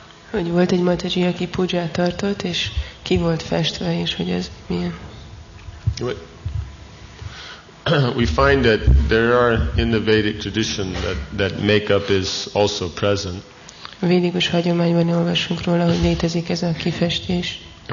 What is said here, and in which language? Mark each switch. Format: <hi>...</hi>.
<hu>Hogy volt egy Mataji, aki pudzsát tartott, és ki volt festve, és hogy ez milyen?</hu> <en>We find that there are in the Vedic tradition that makeup is also present.</en> <hu>Védikus hagyományban olvasunk róla, hogy létezik ez a kifestés.</hu>